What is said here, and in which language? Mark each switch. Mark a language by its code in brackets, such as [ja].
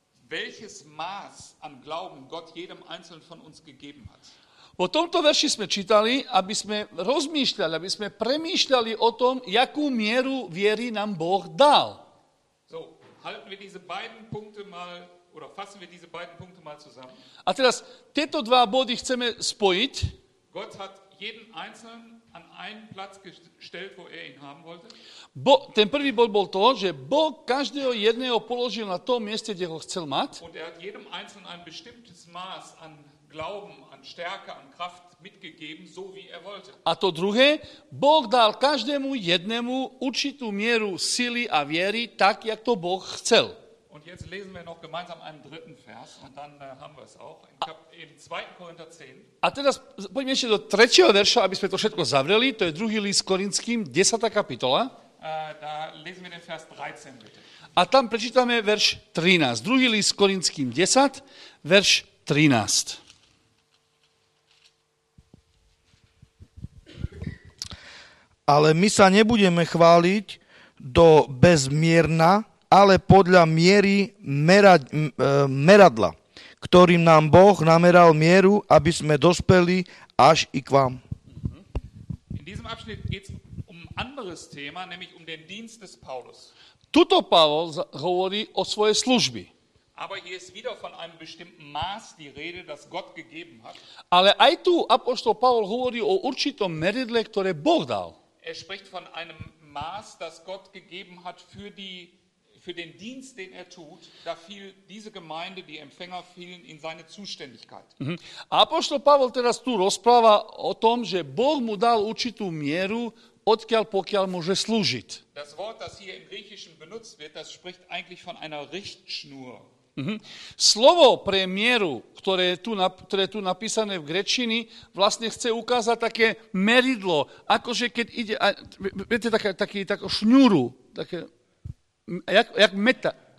[de] Welches Maß an Glauben Gott jedem einzelnen von uns gegeben hat. [sk] Po tomto verši sme čítali, aby sme rozmýšľali, aby sme premýšľali o tom, jakú mieru viery nám Boh dal. [de] So, halten wir diese beiden Punkte mal oder fassen wir diese beiden Punkte mal zusammen. [sk] A teraz tieto dva body chceme spojiť. [de] Gott hat jeden einzelnen an einen Platz gestellt, wo er ihn haben wollte. [sk] Ten prvý bod bol to, že Boh každého jedného položil na tom mieste, kde ho chcel mať. [de] Und er hat jedem einzelnen ein bestimmtes Maß an Glauben, an Stärke, an Kraft mitgegeben, so wie er wollte. [sk] A to druhé, Boh dal každému jednému určitú mieru sily a viery, tak jak to Boh chcel. [de] Und jetzt lesen wir noch gemeinsam einen dritten Vers und dann haben wir es auch. In 2. Korinther 10. [sk] A teraz poďme ešte do tretieho verša, aby sme to všetko zavreli. To je druhý list Korinským, 10. kapitola. [de] Da lesen wir den Vers 13, bitte. [sk] A tam prečítame verš 13. Druhý list Korinským 10, verš 13. Ale my sa nebudeme chváliť do bezmierna, ale podľa miery meradla, ktorým nám Boh nameral mieru, aby sme dospeli až i k vám. [de] In diesem Abschnitt geht's um anderes Thema, nämlich um den Dienst des Paulus. [sk] Tuto Paul hovorí o svojej službe. [de] Aber hier ist wieder von einem bestimmten Maß die Rede, das Gott gegeben hat. [sk] Ale aj tu apoštol Paul hovorí o určitom meridle, ktoré Boh dal. [de] Er spricht von einem Maß, das Gott gegeben hat für den Dienst, den er tut, da fiel diese Gemeinde, die Empfänger fielen in seine Zuständigkeit. [sk] Apoštol Pavol teraz tu rozpráva o tom, že Boh mu dal určitú mieru, odkiaľ pokiaľ môže slúžiť. [de] Das Wort, das hier im Griechischen benutzt wird, das spricht eigentlich von einer Richtschnur. [sk] Slovo pre mieru, ktoré je tu napísané v gréčtine, vlastne chce ukázať také meridlo, akože keď ide, viete, také šňúru, také, jak meta.